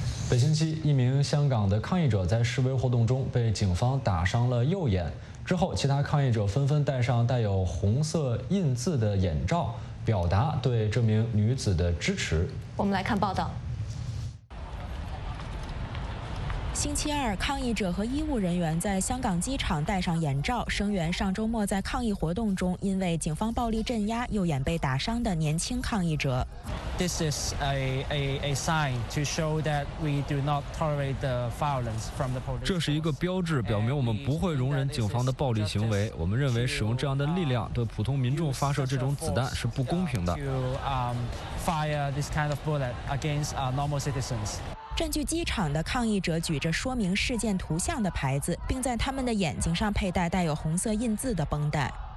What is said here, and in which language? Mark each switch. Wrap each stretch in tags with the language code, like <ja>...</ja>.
<zh>本星期，一名香港的抗议者在示威活动中被警方打伤了右眼，之后其他抗议者纷纷戴上带有红色印字的眼罩，表达对这名女子的支持。我们来看报道。星期二，抗议者和医务人员在香港机场戴上眼罩，声援上周末在抗议活动中因为警方暴力镇压右眼被打伤的年轻抗议者。</zh> <en>This is a sign to show that we do not tolerate the violence from the police.</en> <zh>这是一个标志，表明我们不会容忍警方的暴力行为。我们认为使用这样的力量对普通民众发射这种子弹是不公平的。</zh> <en>Fire this kind of bullet against normal citizens.</en> <zh>占据机场的抗议者举着说明事件图像的牌子，并在他们的眼睛上佩戴带有红色印字的绷带。</zh>